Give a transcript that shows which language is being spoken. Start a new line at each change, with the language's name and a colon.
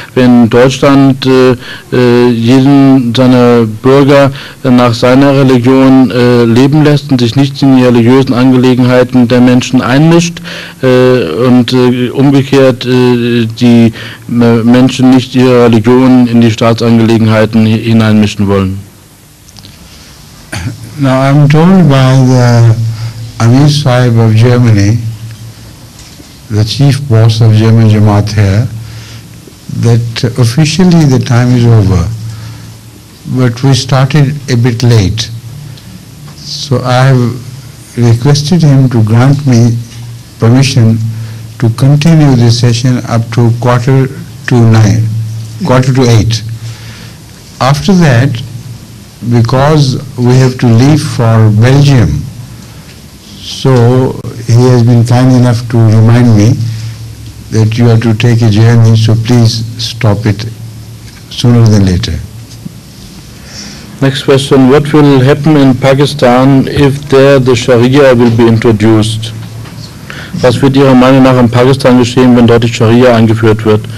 German: Wenn Deutschland jeden seiner Bürger nach seiner Religion leben lässt und sich nicht in die religiösen Angelegenheiten der Menschen einmischt und umgekehrt die Menschen nicht ihre Religion in die Staatsangelegenheiten hineinmischen wollen.
English: Now I'm told by the Amir Sahib of Germany, the chief boss of German Jamaat here, that officially the time is over, but we started a bit late. So I have requested him to grant me permission to continue this session up to 8:15. After that, because we have to leave for Belgium, so he has been kind enough to remind me that you have to take a journey, so please stop it sooner than later. Next question, what will happen in Pakistan if there the Sharia will be introduced?
German: Was wird Ihrer Meinung nach in Pakistan geschehen, wenn dort die Sharia eingeführt wird?